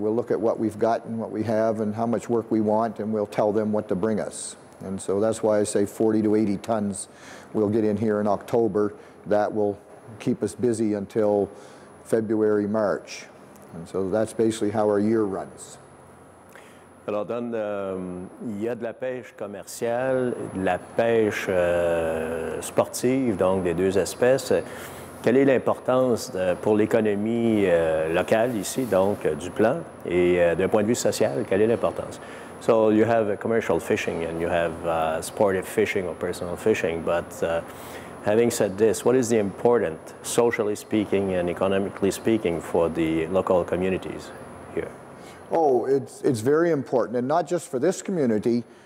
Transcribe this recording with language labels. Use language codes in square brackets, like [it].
[en] We'll look at what we've got and what we have and how much work we want, and we'll tell them what to bring us. And so that's why I say 40 to 80 tons we'll get in here in October. That will keep us busy until February, March. And so that's basically how our year runs. [fr] Alors, Don, il y a de la pêche commerciale, de la pêche sportive, donc des deux espèces. Quelle est l'importance pour l'économie locale ici, donc du plan, et d'un point de vue social, quelle est l'importance? [en] So you have a commercial fishing and you have sportive fishing or personal fishing, but having said this, what is the important, socially speaking and economically speaking, for the local communities here? Oh, it's very important, and not just for this community.